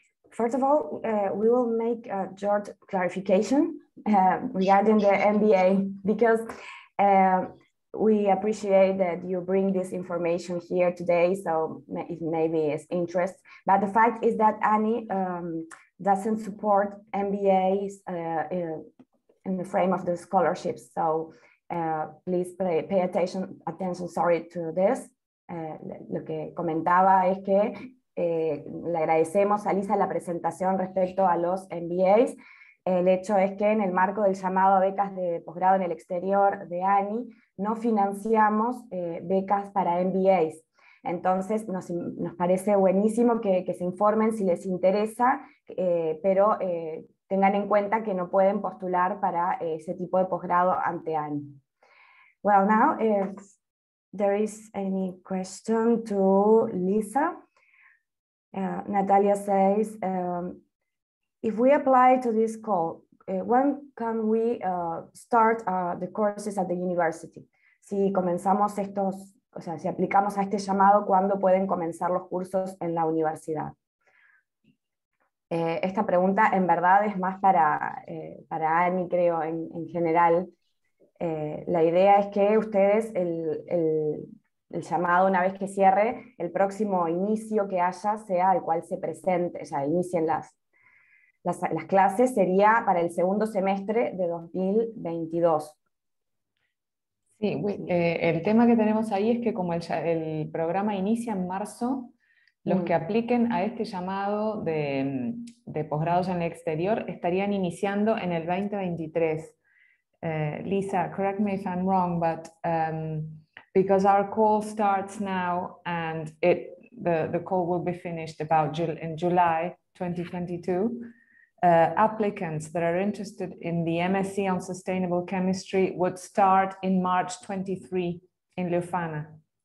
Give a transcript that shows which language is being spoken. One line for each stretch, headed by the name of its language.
English: First of all, we will make a short clarification regarding the MBA because we appreciate that you bring this information here today, so it maybe is interest. But the fact is that Annie doesn't support MBAs in the frame of the scholarships. So please pay attention, sorry, to this.
Spanish: Lo que comentaba es que le agradecemos a Lisa la presentación respecto a los MBAs. El hecho es que en el marco del llamado a becas de posgrado en el exterior de ANI, no financiamos becas para MBAs. Entonces, nos parece buenísimo que se informen si les interesa, pero tengan en cuenta que no pueden postular para ese tipo de posgrado ante ANI.
English: Well, now, if there is any question to Lisa, Natalia says, if we apply to this call, when can we start the courses at the university?
Spanish: Si comenzamos estos, o sea, si aplicamos a este llamado, ¿cuándo pueden comenzar los cursos en la universidad? Esta pregunta en verdad es más para ANI, creo, en general. La idea es que ustedes, el llamado una vez que cierre, el próximo inicio que haya sea el cual se presente, o sea, inicien las clases, sería para el segundo semestre de 2022. Sí, el tema que tenemos ahí es que como el programa inicia en marzo, los que apliquen a este llamado de posgrados en el exterior estarían iniciando en el 2023.
English: Lisa, correct me if I'm wrong, but because our call starts now and the call will be finished about in July 2022, applicants that are interested in the MSc on Sustainable Chemistry would start in March 23 in Leuphana.